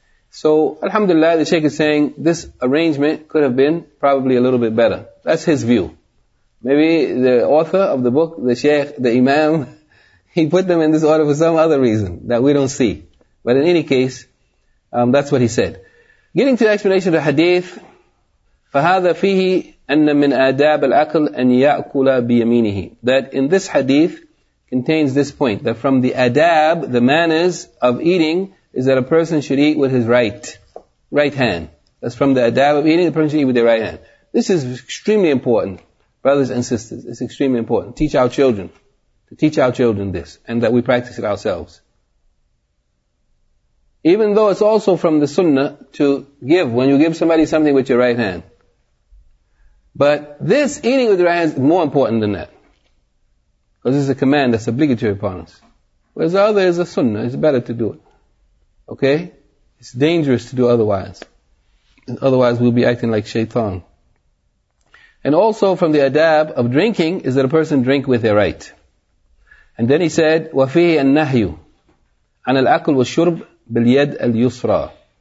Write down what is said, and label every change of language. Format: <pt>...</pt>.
<en>So, alhamdulillah, the Shaykh is saying this arrangement could have been probably a little bit better. That's his view. Maybe the author of the book, the Shaykh, the Imam, he put them in this order for some other reason that we don't see. But in any case, that's what he said. Getting to the explanation of the hadith,</en> <ar>فَهَذَا فِيهِ أَنَّ مِنْ آدَابِ الْأَكْلِ أَنْ يَأْكُلَ بِيَمِينِهِ.</ar> <en>That in this hadith contains this point, that from the adab, the manners of eating, is that a person should eat with his right hand. That's from the adab of eating, the person should eat with their right hand. This is extremely important, brothers and sisters. It's extremely important. To teach our children this, and that we practice it ourselves. Even though it's also from the sunnah to give, when you give somebody something with your right hand. But this eating with your right hand is more important than that. Because this is a command that's obligatory upon us. Whereas the other is a sunnah, it's better to do it. Okay? It's dangerous to do otherwise. Otherwise we'll be acting like shaitan. And also from the adab of drinking is that a person drink with their right. And then he said,</en> <ar>وَفِيهِ النَّهْيُ عَنَ الْأَكْلِ وَالشُّرْبِ بِالْيَدْ الْيُسْرَى.</ar>